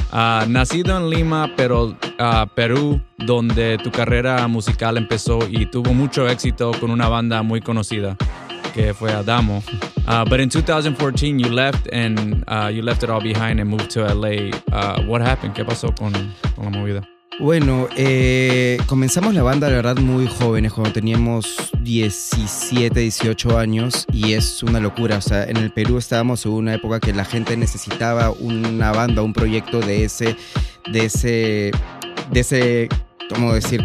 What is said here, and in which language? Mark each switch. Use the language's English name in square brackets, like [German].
[Spanish] Nacido en Lima, pero Perú, donde tu carrera musical empezó y tuvo mucho éxito con una banda muy conocida, que fue Adamo. [English] But in 2014, you left and you left it all behind and moved to LA. What happened? [Spanish] ¿Qué pasó con la movida? Bueno, comenzamos la banda, la verdad, muy jóvenes, cuando teníamos 17, 18 años, y es una locura. O sea, en el Perú estábamos en una época que la gente necesitaba una banda, un proyecto de ese ¿cómo decir?